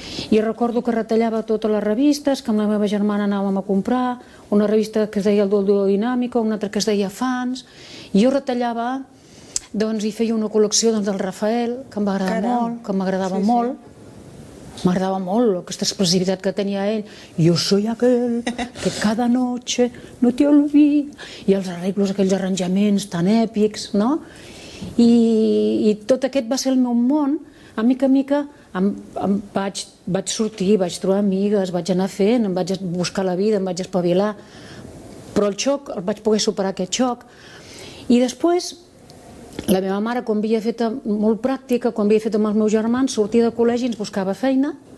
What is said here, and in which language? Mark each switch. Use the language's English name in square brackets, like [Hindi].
[Catalan] I recordo que retallava totes les revistes, que amb la meva germana anàvem a comprar, una revista que es deia El Duo Dinàmico, una altra que es deia Fans, i jo retallava, doncs, i feia una col·lecció doncs, del Rafael, que em va agradar molt, que m'agradava molt. M'agradava molt aquesta expressivitat que tenia ell. [Spanish] Yo soy aquel que cada noche no te olvida. [Catalan] I els arreglos, aquells arranjaments tan èpics, no? I tot aquest va ser el meu món. A mica vaig sortir, vaig trobar amigues, vaig anar fent, em vaig buscar la vida, em vaig espavilar. Però el xoc, el vaig poder superar aquest xoc. I després, la meva mare, quan havia fet molt pràctica, quan havia fet amb els meus germans, sortia de col·legi i ens buscava feina.